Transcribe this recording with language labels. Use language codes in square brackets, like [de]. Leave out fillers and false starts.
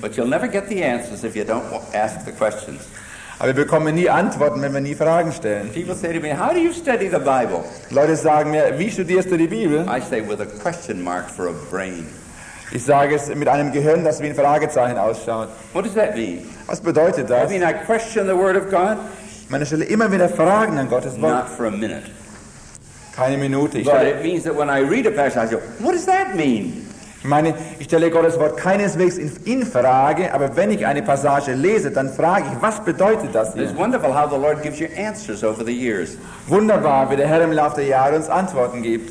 [en] But you'll never get the answers if you don't ask the questions. [de] Aber wir bekommen nie Antworten, wenn wir nie Fragen stellen. [en] People say to me, "How do you study the Bible?" [de] Leute sagen mir, wie studierst du die Bibel? [en] I say with a question mark for a brain. [de] Ich sage es mit einem Gehirn, das wie ein Fragezeichen ausschaut. [en] What does that mean? [de] Was bedeutet das? [en] I mean, I question the Word of God. [de] Man stelle immer wieder Fragen an Gottes Wort. [en] Not for a minute. [de] Keine Minute. [en] But it means that when I read a passage, I go, "What does that mean?" [de] Ich meine, ich stelle Gottes Wort keineswegs in Frage, aber wenn ich eine Passage lese, dann frage ich, was bedeutet das hier? [en] It's wonderful how the Lord gives you answers over the years. [de] Wunderbar, wie der Herr im Laufe der Jahre uns Antworten gibt.